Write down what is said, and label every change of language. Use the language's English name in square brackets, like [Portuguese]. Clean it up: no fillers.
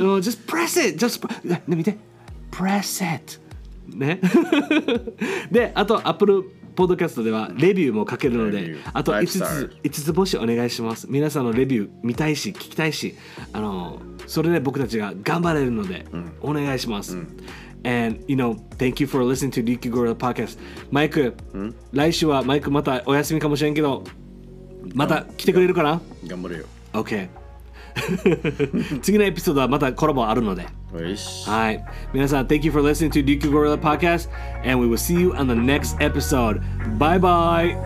[Japanese] うん、 [English] Just press it、 [Japanese] ね、見て [English] Press it、 [Japanese] ね、で、あと Apple Podcast ではレビューも書けるので、あと5つ星お願いします。皆さんのレビュー見たいし聞きたいし、それで僕たちが頑張れるので、うん、お願いします、うん。 [English] And you know, thank you for listening to Ricky Gorilla Podcast. [Japanese] Mike, 来週はマイクまたお休みかもしれんけど、また来てくれるかな？頑張るよ。 [English] Okay. [Japanese] 次のエピソードはまたコラボあるので。はい。 [English] 皢さん、Thank you for listening to Duke Gorilla Podcast, and we will see you on the next episode. Bye bye.